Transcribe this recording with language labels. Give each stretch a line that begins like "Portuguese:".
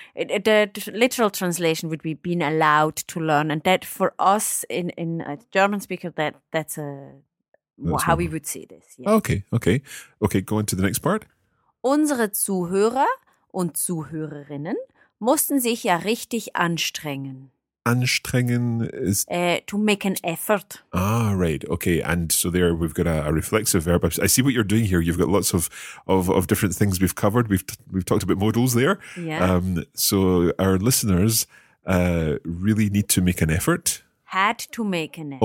English: The literal translation would be been allowed to learn. And that for us in a German speaker, that's how we would say this. Yes. Okay, go on to the next part.
German: Unsere Zuhörer und Zuhörerinnen mussten sich ja richtig anstrengen.
English: Anstrengen is... To make an effort. Ah, right. Okay, and so there we've got a reflexive verb. I see what you're doing here. You've got lots of different things we've covered. We've talked about modals there. Yeah. So our listeners really need to make an effort. Had to make an effort.